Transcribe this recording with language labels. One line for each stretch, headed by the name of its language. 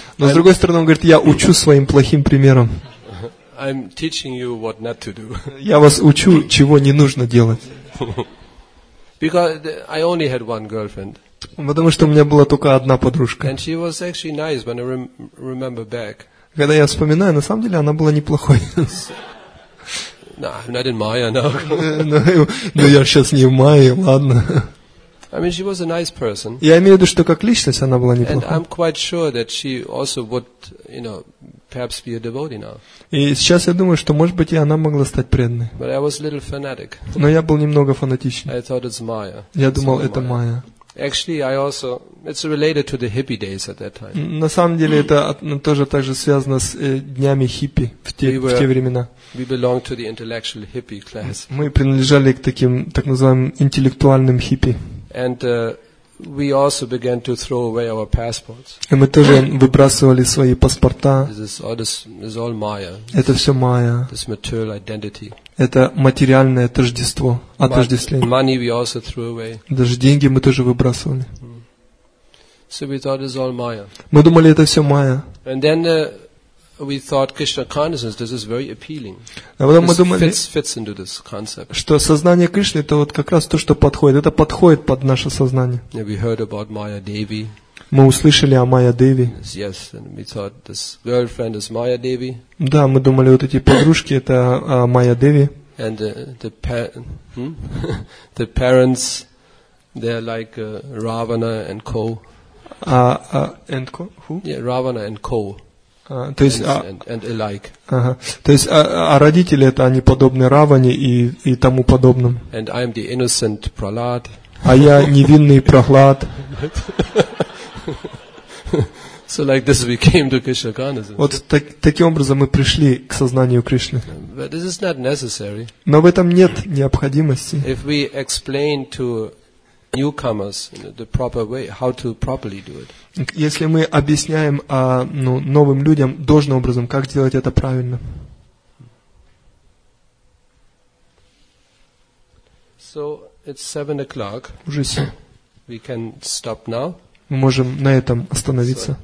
Russian: Но с другой стороны, он говорит, я учу своим плохим примером.
English: I'm teaching you what not to do.
Russian: Я вас учу, чего не нужно делать.
English: Because I only had one girlfriend.
Russian: Потому что у меня была только одна подружка.
English: And she was actually nice when I remember back.
Russian: Когда я вспоминаю, на самом деле она была неплохой.
English: No, I'm not in Maya, no.
Russian: Ну, я сейчас не в Майе, ладно.
English: I mean, she was a nice person.
Russian: Я имею в виду, что как личность она была неплохой.
English: And I'm quite sure that she also would, you know, perhaps be a devotee now.
Russian: И сейчас я думаю, что, может быть, и она могла стать преданной.
English: But I was a little fanatic.
Russian: Но я был немного фанатичен.
English: I thought it's Maya.
Russian: Я думал, это Майя.
English: Actually, I also, it's related to the hippie days at that time.
Russian: На самом деле, это тоже также связано с днями хиппи в те времена.
English: We belong to the intellectual hippie class.
Russian: Мы принадлежали к таким, так называемым, интеллектуальным хиппи.
English: And we also began to throw away our passports.
Russian: И мы тоже выбрасывали свои паспорта.
English: This is all Maya.
Russian: Это все Maya.
English: This material identity.
Russian: Это материальное тождество, отождествление.
English: Money we also threw away.
Russian: Даже деньги мы тоже выбрасывали.
English: So we thought it's all Maya.
Russian: Мы думали, это все Maya.
English: And then we thought Krishna consciousness, this is very appealing.
Russian: А потом мы думали,
English: fits into this concept.
Russian: Что сознание Кришны это вот как раз то, что подходит. Это подходит под наше сознание.
English: Yeah, we heard about Maya Devi.
Russian: Мы услышали о Майя Деви.
English: Yes, and we thought this girlfriend is Maya Devi.
Russian: Да, мы думали, вот эти подружки это Майя Деви.
English: And the parents, they're like Ravana and Co. And Co? Who? Yeah, Ravana and Co.
Russian: То есть,
English: and alike.
Russian: То есть, а родители это они подобны Раване и тому подобным.
English: And I'm the innocent Prahlad.
Russian: А я невинный Прохлад.
English: So like this we came to Krishna consciousness.
Russian: Вот таким образом мы пришли к сознанию Кришны.
English: But this is not necessary.
Russian: Но в этом нет необходимости.
English: If we explain to newcomers the proper way, how to properly do it.
Russian: Если мы объясняем новым людям должным образом, как делать это правильно.
English: So it's 7 o'clock.
Russian: Уже 7.
English: We can stop now.
Russian: Мы можем на этом остановиться.